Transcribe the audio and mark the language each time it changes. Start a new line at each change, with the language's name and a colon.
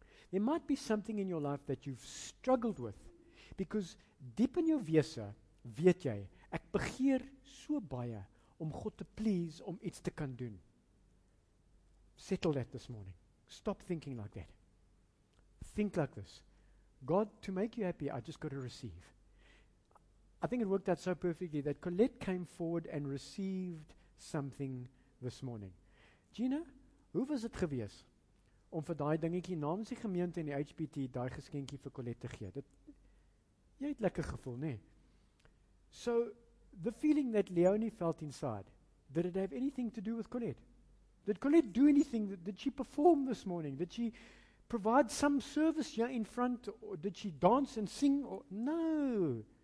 English: There might be something in your life that you've struggled with, because deep in your wese,
Afrikaans: weet jy, ek begeer so baie om God te please, om iets te kan doen.
English: Settle that this morning. Stop thinking like that. Think like this. God, to make you happy, I just got to receive. I think it worked out so perfectly that Colette came forward and received something this morning.
Afrikaans: Gina, hoe was het geweest om vir die dingetjie namens die gemeente en die HBT die geskenkie vir Colette te gee? Dit, jy het lekker gevoel, nee.
English: So, the feeling that Leonie felt inside, did it have anything to do with Colette? Did Colette do anything? Did she perform this morning? Did she provide some service here in front? Or did she dance and sing? Or, no.